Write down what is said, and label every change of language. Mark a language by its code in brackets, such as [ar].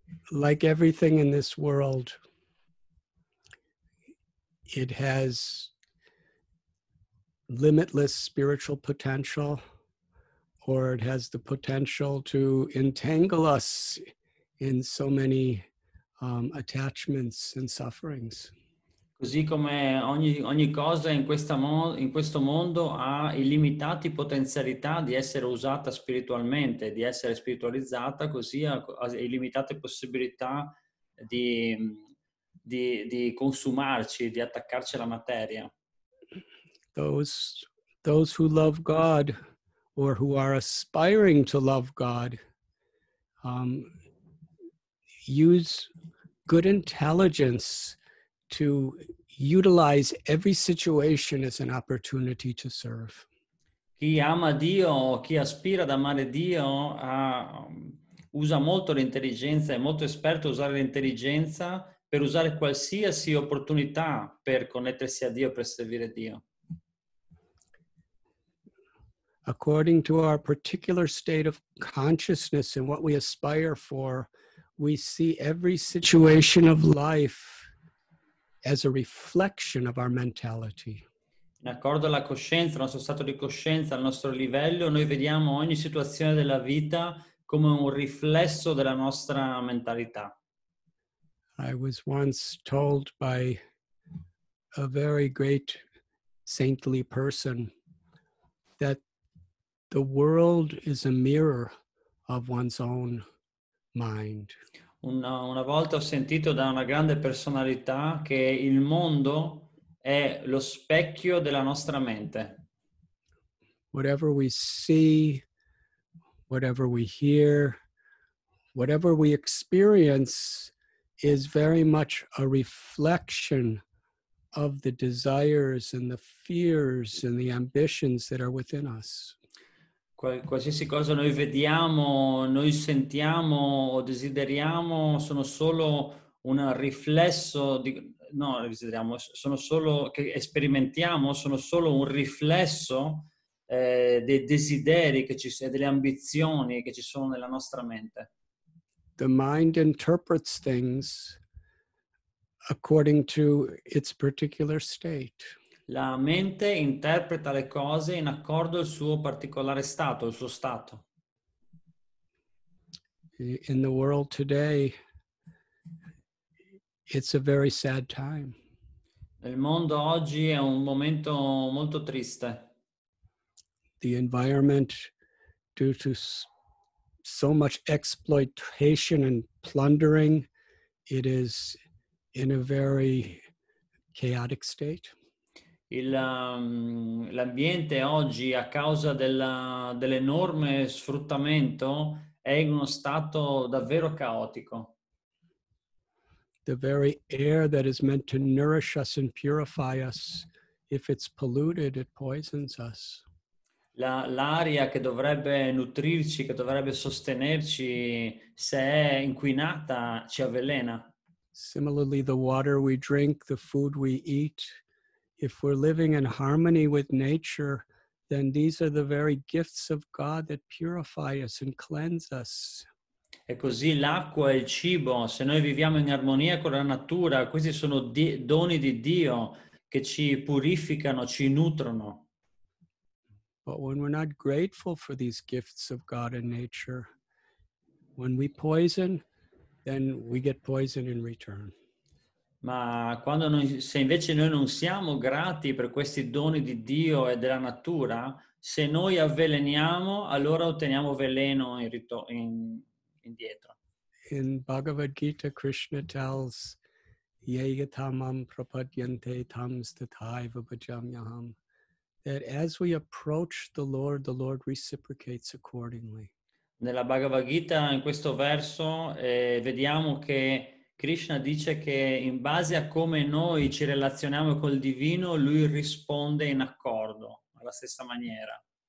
[en] Like everything in this world, it has limitless spiritual potential, or it has the potential to entangle us in so many attachments and sufferings. [it] Così come ogni cosa in questo mondo ha illimitate potenzialità di essere usata spiritualmente, di essere spiritualizzata, così ha illimitate possibilità di consumarci, di attaccarci alla materia. [en] Those who love God or who are aspiring to love God use good intelligence to utilize every situation as an opportunity to serve. [it] Chi ama Dio, chi aspira ad amare Dio, usa molto l'intelligenza, è molto esperto a usare l'intelligenza per usare qualsiasi opportunità per connettersi a Dio, per servire Dio. [en] According to our particular state of consciousness and what we aspire for, we see every situation of life as a reflection of our mentality. [it] In accordo alla coscienza, al nostro stato di coscienza, al nostro livello, noi vediamo ogni situazione della vita come un riflesso della nostra mentalità. [en] I was once told by a very great saintly person that the world is a mirror of one's own mind. [it] Una volta ho sentito da una grande personalità che il mondo è lo specchio della nostra mente. [en] Whatever we see, whatever we hear, whatever we experience is very much a reflection of the desires and the fears and the ambitions that are within us. [it] Qualsiasi cosa noi vediamo, noi sentiamo o desideriamo sono solo un riflesso di, no, desideriamo, sono solo che sperimentiamo, sono solo un riflesso dei desideri che ci sono, delle ambizioni che ci sono nella nostra mente. [en] The mind interprets things according to its particular state. [it] La mente interpreta le cose in accordo al suo particolare stato, il suo stato. [en] In the world today, it's a very sad time. [it] Il mondo oggi è un momento molto triste. [en] The environment, due to so much exploitation and plundering, it is in a very chaotic state. [it] L'ambiente oggi, a causa dell'enorme sfruttamento, è in uno stato davvero caotico. [en] The very air that is meant to nourish us and purify us, if it's polluted, it poisons us. [it] L'aria che dovrebbe nutrirci, che dovrebbe sostenerci, se è inquinata, ci avvelena. [en] Similarly, the water we drink, the food we eat, if we're living in harmony with nature, then these are the very gifts of God that purify us and cleanse us. [it] E così l'acqua e il cibo, se noi viviamo in armonia con la natura, questi sono doni di Dio che ci purificano, ci nutrono. [en] But when we're not grateful for these gifts of God and nature, when we poison, then we get poison in return. [it] Ma quando noi, se invece noi non siamo grati per questi doni di Dio e della natura, se noi avveleniamo, allora otteniamo veleno indietro. [en] In Bhagavad Gita, Krishna tells, [sa] Yeyatamam prapadyante tamstataiva bhajamyaham, [en] that as we approach the Lord reciprocates accordingly. [it] Nella Bhagavad Gita, in questo verso, vediamo che Krishna dice che in base a come noi ci relazioniamo col divino, lui risponde in accordo, alla stessa maniera.